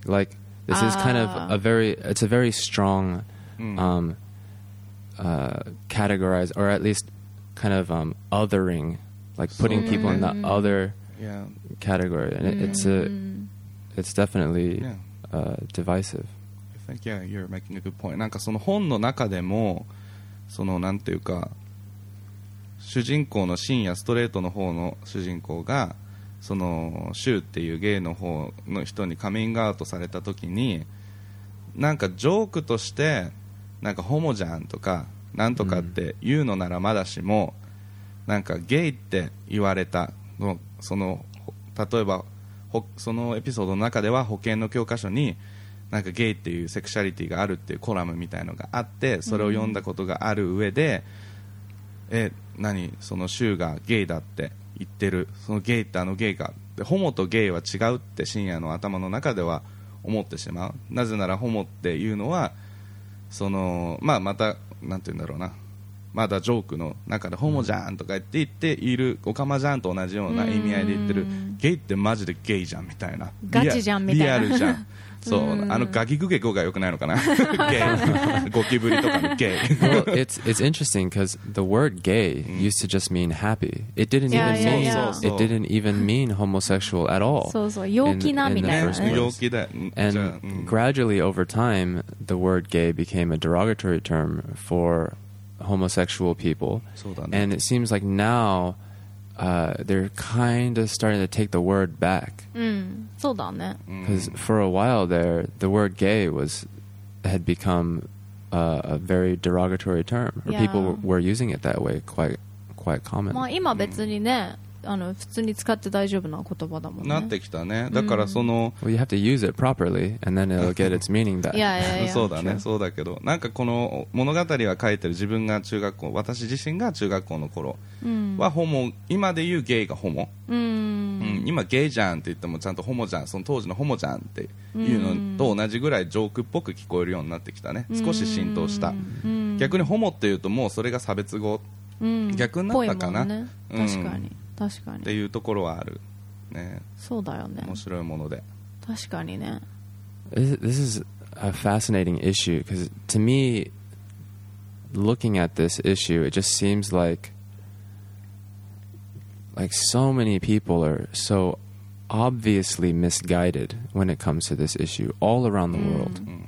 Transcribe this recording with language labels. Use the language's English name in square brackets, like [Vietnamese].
[English] Like, this is kind of a very, it's a very strong、categorized, or at least kind of、othering, like putting、so、people、in the other、category, and、it's definitely、divisive Thank you. You're making a good point. [Japanese] なんかその本の中でも、そのなんていうか、主人公のシンやストレートの方の主人公が、そのシューっていうゲイの方の人にカミングアウトされた時に、なんかジョークとしてなんかホモじゃんとかなんとかって言うのならまだしも、なんかゲイって言われたの、その例えばそのエピソードの中では保険の教科書になんかゲイっていうセクシャリティがあるっていうコラムみたいのがあって、それを読んだことがある上で、何そのシューがゲイだって言ってる、そのゲイってあのゲイか、でホモとゲイは違うって深夜の頭の中では思ってしまう。なぜならホモっていうのはそのまあまたなんて言うんだろうな、まだジョークの中でホモじゃんとか言っているオカマじゃんと同じような意味合いで言ってる、ゲイってマジでゲイじゃんみたいな、ガチじゃんみたいな、リアルじゃん。 [English] So, gay. Well, it's interesting because the word gay used to just mean happy. It didn't it didn't even mean homosexual at all. And gradually over time, the word gay became a derogatory term for homosexual people. And it seems like now... they're kind of starting to take the word back. [Japanese] そうだね。 [English] Because for a while there, the word gay had become a very derogatory term. People were using it that way quite common. [Japanese] まあ今別にね、あの普通に使って大丈夫な言葉だもんね。なってきたね。だからその、 [English] うん、well, you have to use it properly and then it'll get its meaning back. yeah, yeah, yeah. [Japanese] そうだね、そうだけど、なんかこの物語は書いてる自分が中学校、私自身が中学校の頃はホモ、今で言うゲイがホモ、うん、今ゲイじゃんって言ってもちゃんとホモじゃん、その当時のホモじゃんっていうのと同じぐらいジョークっぽく聞こえるようになってきたね。少し浸透した。逆にホモっていうともうそれが差別語、逆になったかな、ね、確かに、うん、確かにっていうところはある、ね、そうだよね。面白いもので、確かにね。 [English] This is a fascinating issue because to me looking at this issue it just seems like so many people are so obviously misguided when it comes to this issue all around the world.